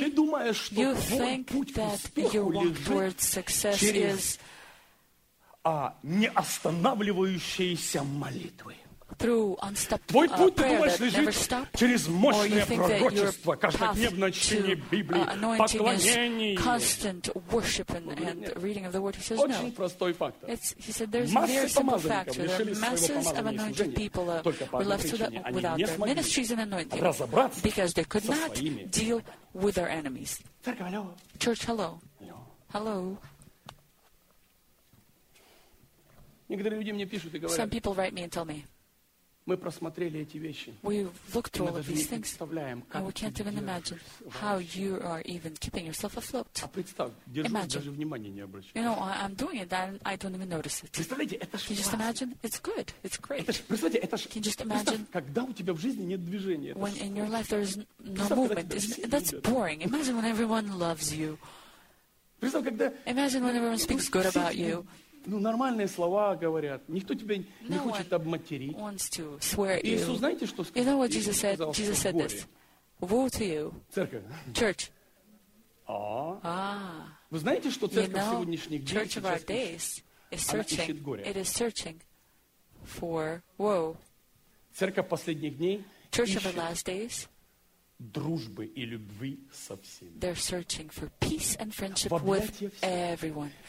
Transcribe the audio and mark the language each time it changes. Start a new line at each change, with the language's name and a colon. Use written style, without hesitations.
Russian: ты думаешь, что твой путь
English: that
Russian: к успеху лежит через неостанавливающиеся молитвы? Твой путь, ты думаешь, лежит через мощное пророчество, каждодневное чтение Библии, поклонение.
English: Constant worship and reading of the word. He says,
Russian: очень
English: no.
Russian: Простой фактор.
English: He said, there's a very simple factor. There are masses of anointed people were left without their ministries and anointing because they could not deal with their enemies. Church, hello. Hello.
Russian: Некоторые люди мне пишут и говорят,
English: some people write me and tell me,
Russian: мы просмотрели эти вещи.
English: We looked through all of these things. And we can't even imagine how you are even keeping yourself afloat.
Russian: А представь, держу, даже внимания не обращаю.
English: You know, I'm doing it, and I don't even notice it.
Russian: Представляете, это ж
English: can you just imagine? It's good. It's great.
Russian: Это ж, представляете, это ж,
English: can you just imagine?
Russian: Когда у тебя в жизни нет движения,
English: when in your life there is no movement, that's boring. Imagine when everyone loves you.
Russian: Представь, когда
English: imagine when everyone speaks good about you.
Russian: Ну, нормальные слова говорят. Никто тебя не хочет обматерить. Иисус, знаете, что сказал?
English: You know what Jesus said? Jesus said this. Woe to you.
Russian: Церковь.
English: Church.
Russian: Вы знаете, что церковь сегодняшних дней сейчас ищет горе?
English: It is searching for woe.
Russian: Церковь последних дней ищет дружбы и любви со всеми.
English: They're searching for peace and friendship with everyone.